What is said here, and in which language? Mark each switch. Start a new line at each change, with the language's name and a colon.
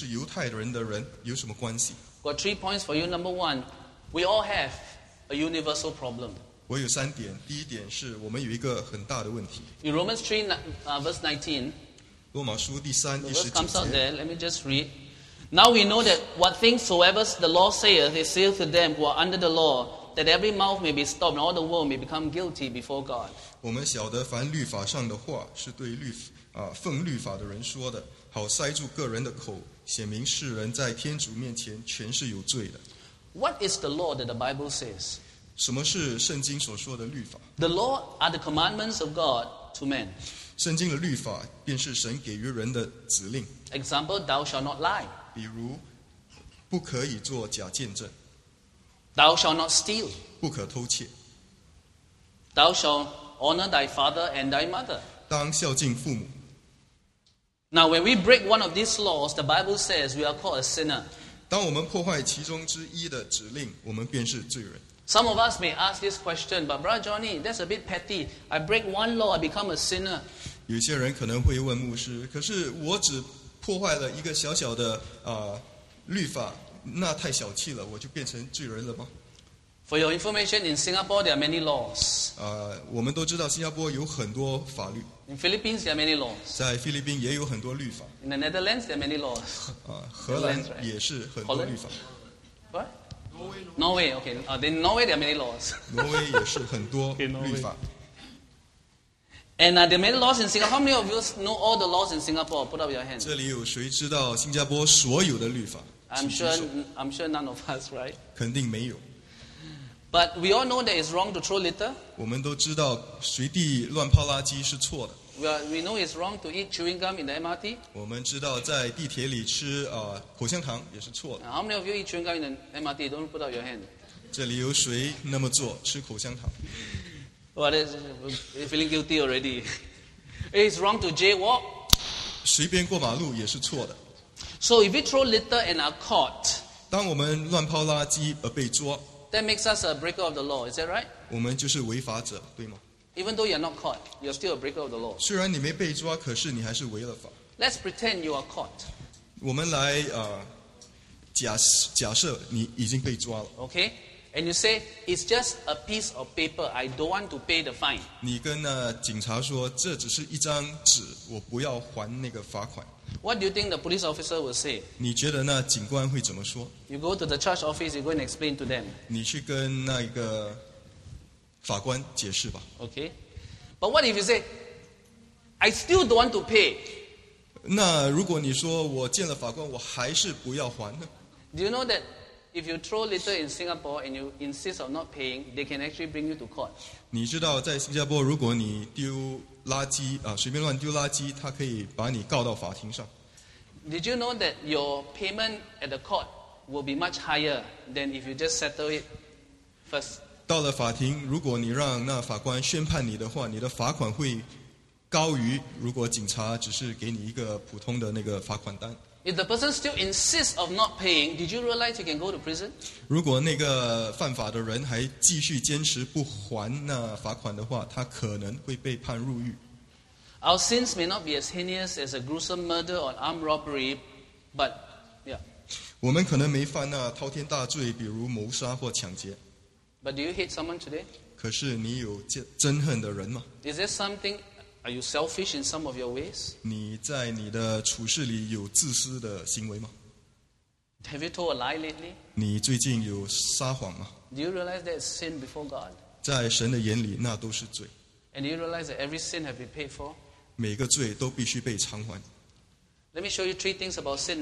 Chinese: 那么基督的降生对我们这些不是犹太人的人有什么关系？
English: Got 3 points for you. Number one, we all have a universal problem.
Chinese: 我有三点, 第一点是我们有一个很大的问题。
English: In Romans 3, verse 19,
Chinese: 罗马书第三,
English: the verse comes out there, let me just read. Now we know that what things soever the law saith, is sealed to them who are under the law, that every mouth may be stopped, and all the world may become guilty before God.
Chinese: 我们晓得凡律法上的话, 是对律, 奉律法的人说的, 好塞住个人的口, 显明世人在天主面前全是有罪的。
English: What is the law that the Bible says?
Chinese: 什么是圣经所说的律法?
English: The law are the commandments of God to men.
Chinese: 圣经的律法便是神给予人的指令。
English: Example, thou shalt not lie.
Chinese: 比如不可以做假见证。
English: Thou shalt not steal.
Chinese: 不可偷窃。
English: Thou shalt honor thy father and thy mother.
Chinese: 当孝敬父母。
English: Now, when we break one of these laws, the Bible says we are called a sinner.
Chinese: 当我们破坏其中之一的指令，我们便是罪人。
English: Some of us may ask this question, but Brother Johnny, that's a bit petty. I break one law, I become a sinner.
Chinese: 有些人可能会问牧师，可是我只破坏了一个小小的律法，那太小气了，我就变成罪人了吗？
English: For your information, in Singapore there are many laws.
Chinese: 我们都知道新加坡有很多法律。
English: In Philippines there are many laws.
Chinese: 在菲律宾也有很多律法。
English: In the Netherlands there are many laws.
Chinese: 荷兰也是很多律法。
English: Norway, okay. In Norway, there are many laws.
Chinese: Norway 也是很多律法。
English: And there are many laws in Singapore. How many of you know all the laws in Singapore? Put up your hand.
Chinese: 这里有谁知道新加坡所有的律法？
English: I'm sure none of us, right?
Chinese: 肯定没有。
English: But we all know that it's wrong to throw litter.
Chinese: 我们都知道随地乱抛垃圾是错的。
English: We know it's wrong to eat chewing gum in the MRT.
Chinese: 我们知道在地铁里吃口香糖也是错的。
English: How many of you eat chewing gum in the MRT? Don't put up your hand.
Chinese: 这里有谁那么做吃口香糖？
English: What is you feeling guilty already? It's wrong to jaywalk.
Chinese: 随便过马路也是错的。
English: So if we throw litter and are caught,
Chinese: 当我们乱抛垃圾而被捉，
English: that makes us a breaker of the law. Is that right?
Chinese: 我们就是违法者，对吗？
English: Even though you are not caught, you are still a breaker of the law.
Chinese: 虽然你没被抓，可是你还是违了法。
English: Let's pretend you are caught.
Chinese: 我们来假设你已经被抓了。
English: Okay, and you say it's just a piece of paper. I don't want to pay the fine.
Chinese: 你跟那警察说这只是一张纸，我不要还那个罚款。
English: What do you think the police officer will say?
Chinese: 你觉得那警官会怎么说？
English: You go to the charge office. You go and explain to them.
Chinese: 你去跟那一个法官解释吧。
English: Okay, but what if you say, I still don't want to pay?
Chinese: 那如果你说我见了法官，我还是不要还呢？
English: Do you know that if you throw litter in Singapore and you insist on not paying, they can actually bring you to court?
Chinese: 你知道在新加坡，如果你丢垃圾随便乱丢垃圾，他可以把你告到法庭上。
English: Did you know that your payment at the court will be much higher than if you just settle it first?
Chinese: 到了法庭，如果你让那法官宣判你的话，你的罚款会高于如果警察只是给你一个普通的那个罚款单。
English: If the person still insists of not paying, did you realize you can go to prison?
Chinese: 如果那个犯法的人还继续坚持不还那罚款的话，他可能会被判入狱。
English: Our sins may not be as heinous as a gruesome murder or armed robbery, but
Chinese: 我们可能没犯那滔天大罪，比如谋杀或抢劫。
English: But do you hate someone today?
Chinese: 可是你有憎恨的人吗？
English: Is there something? Are you selfish in some of your ways?
Chinese: 你在你的处事里有自私的行为吗？
English: Have you told a lie lately?
Chinese: 你最近有撒谎吗？
English: Do you realize that it's sin before God?
Chinese: 在神的眼里，那都是罪。
English: And do you realize that every sin has been paid for?
Chinese: 每个罪都必须被偿还。
English: Let me show you three things about sin.